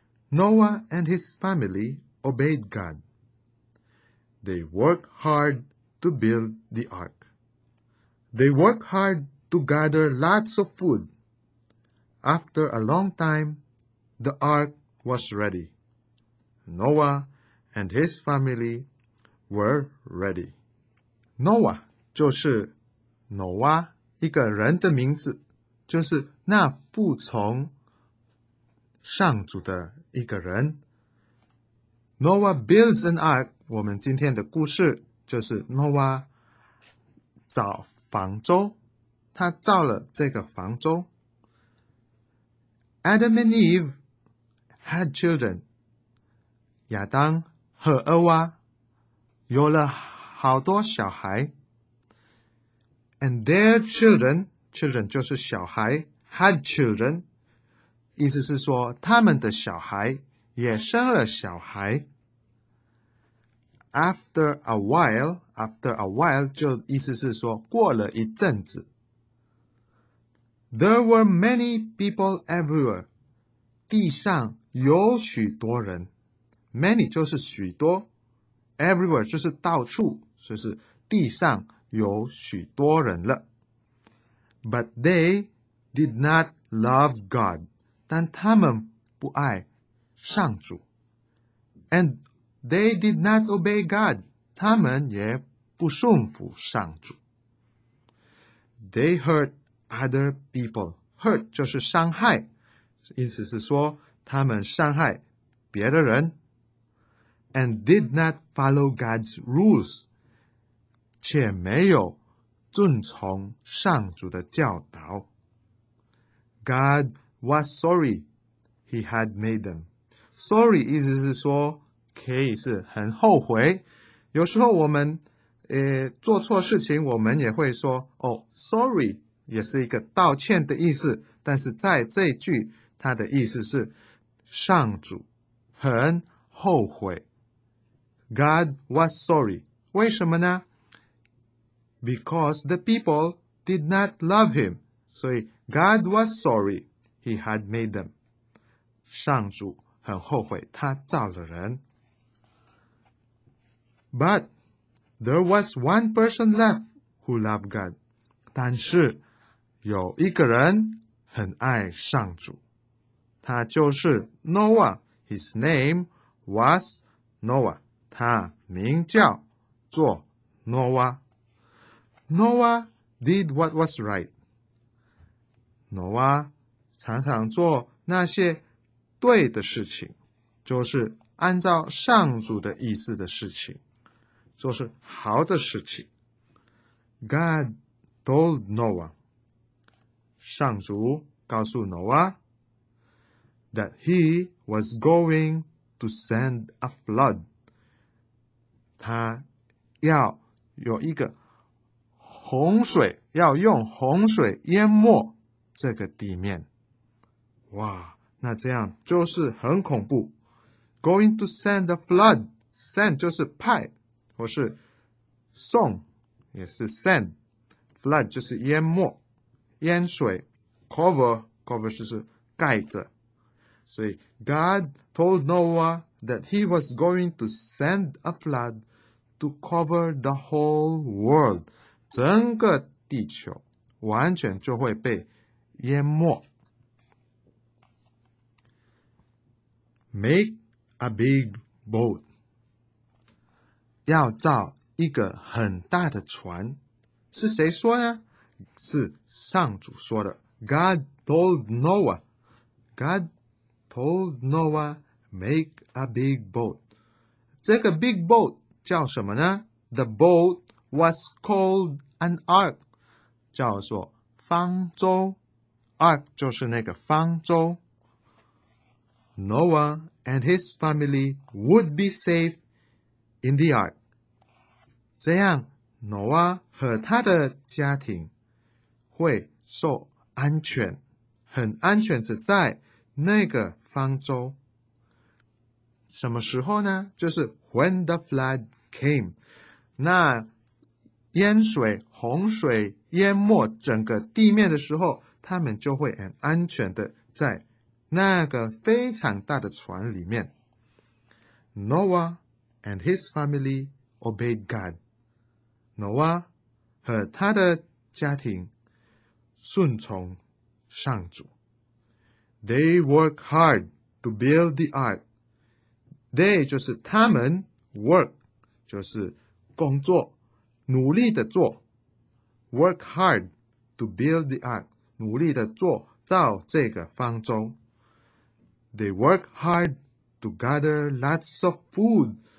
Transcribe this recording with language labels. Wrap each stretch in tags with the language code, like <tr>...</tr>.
<en>Noah and his family obeyed God. They worked hard to build the ark. They worked hard to gather lots of food. After a long time, the ark was ready. Noah and his family were ready.</en> <zh>Noah 就是 Noah 一个人的名字，就是那服从上主的一个人。</zh> <en>Noah builds an ark.</en> <zh>我们今天的故事就是 Noah 造方舟，他造了这个方舟。</zh> <en>Adam and Eve had children.</en> <zh>亚当和厄娃有了好多小孩</zh> <en>and their children</en> <zh>就是小孩</zh> <en>had children</en> <zh>意思是说他们的小孩也生了小孩</zh> <en>after a while</en> <zh>就意思是说过了一阵子</zh> <en>there were many people everywhere</en> <zh>地上有许多人Many 就是许多 ，everywhere 就是到处，就是地上有许多人了。</zh> <en>But they did not love God，</en> <zh>但他们不爱上主。</zh> <en>And they did not obey God，</en> <zh>他们也不顺服上主。</zh> <en>They hurt other people，</en> <zh>hurt 就是伤害，意思是说他们伤害别的人。</zh> <en>And did not follow God's rules,</en> <zh>且没有遵从上主的教导。</zh> <en>God was sorry he had made them.</en> <zh>Sorry 意思是说可以是很后悔。有时候我们做错事情，我们也会说哦 ，sorry 也是一个道歉的意思。但是在这一句，它的意思是上主很后悔。</zh> <en>God was sorry.</en> <zh>为什么呢?</zh> <en>Because the people did not love him.</en> <zh>所以</zh> <en>God was sorry he had made them.</en> <zh>上主很后悔他造了人。</zh> <en>But there was one person left who loved God.</en> <zh>但是有一个人很爱上主。他就是</zh> <en>Noah. His name was Noah.</en> <zh>他名叫做 Noah.</zh> <en>Noah did what was right.</en> <zh>Noah 常常做那些对的事情，就是按照上主的意思的事情，就是好的事情。</zh> <en>God told Noah.</en> <zh>上主告诉</zh> <en>Noah that he was going to send a flood.</en> <zh>他要有一个洪水，要用洪水淹没这个地面。哇，那这样就是很恐怖。</zh> <en>Going to send a flood.</en> <zh>Send 就是派，或是送，也是 send。 Flood 就是淹没，淹水。 Cover 就是盖着。所以</zh> <en>God told Noah that he was going to send a flood to cover the whole world.</en> <zh>整个地球完全就会被淹没。</zh> <en>Make a big boat.</en> <zh>要造一个很大的船。是谁说呢？是上主说的。</zh> <en>God told Noah. God told Noah, make a big boat.</en> <zh>这个</zh> <en>big boat</en> <zh>叫什么呢？</zh> <en>The boat was called an ark.</en> <zh>叫做方舟。Ark 就是那个方舟。</zh> <en>Noah and his family would be safe in the ark.</en> <zh>这样 Noah 和他的家庭会受安全，很安全的在那个方舟。什么时候呢？就是</zh> <en>when the flood came.</en> <zh>那淹水，洪水淹没整个地面的时候，他们就会很安全的在那个非常大的船里面。</zh> <en>Noah and his family obeyed God.</en> <zh>Noah 和他的家庭顺从上主。</zh> <en>They work hard to build the ark.</en> <zh>They 就是他们， work 就是工作，努力的做。</zh> <en>Work hard to build the ark.</en> <zh>努力的做造这个方舟。</zh> <en>They work hard to gather lots of food.</en>